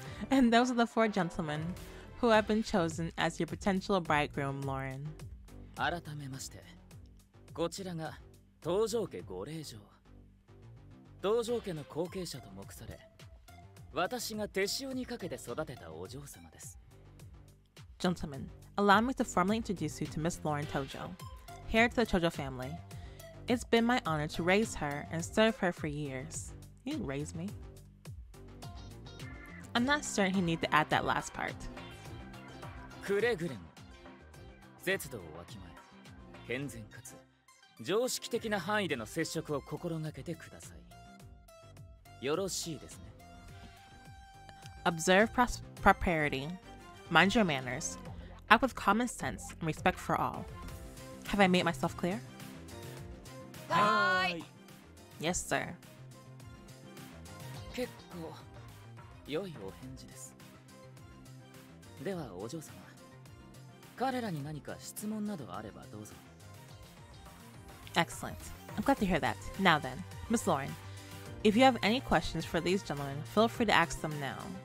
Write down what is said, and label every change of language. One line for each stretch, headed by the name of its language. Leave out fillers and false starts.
English: And those are the four gentlemen who have been chosen as your potential bridegroom, Lauren.
Japanese: 改めまして、こちらが東条家御令嬢。東条家の後継者と目され、私が手塩にかけて育てたお嬢様です。
English: Gentlemen, allow me to formally introduce you to Miss Lauren Tojo, heir to the Tojo family. It's been my honor to raise her and serve her for years. You didn't raise me. I'm not certain he needs to add that last part.
Japanese: くれぐれも、節度をわきまえ、健全かつ常識的な範囲での接触を心がけてください。よろしいですね。
English: Observe propriety. Mind your manners. Act with common sense and respect for all. Have I made myself clear? Hi! Yes, sir.
Japanese: 結構良いお返事です。では、お嬢様。彼らに何か質問などあればどうぞ。
English: Excellent. I'm glad to hear that. Now then, Miss Lauren, if you have any questions for these gentlemen, feel free to ask them now.